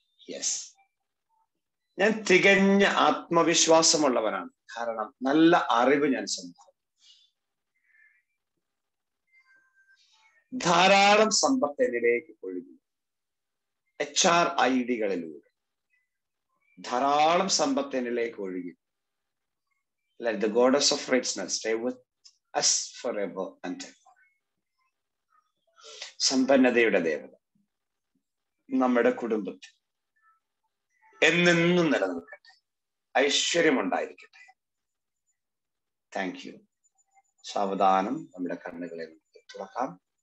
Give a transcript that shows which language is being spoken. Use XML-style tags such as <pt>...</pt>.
<ml>Yes, ഞാൻ തികഞ്ഞ ആത്മവിശ്വാസമുള്ളവനാണ്. കാരണം നല്ല അറിവ് ഞാൻ സ്വന്തം, ധാരാളം സമ്പത്ത് എന്നിലേക്ക് ഒഴുകുന്നു. എച്ച് ആർ ഐ ഡികളിലൂടെ ധാരാളം സമ്പത്ത് എന്നിലേക്ക് ഒഴുകുന്നു.</ml> <en>Let the goddess of richness stay with us forever and ever.</en> <ml>സമ്പന്നതയുടെ ദേവത നമ്മുടെ കുടുംബത്തിൽ എന്നെന്നും നിലനിൽക്കട്ടെ, ഐശ്വര്യമുണ്ടായിരിക്കട്ടെ. Thank you. സാവധാനം നമ്മുടെ കണ്ണുകളെ നമുക്ക് തുറക്കാം.</ml>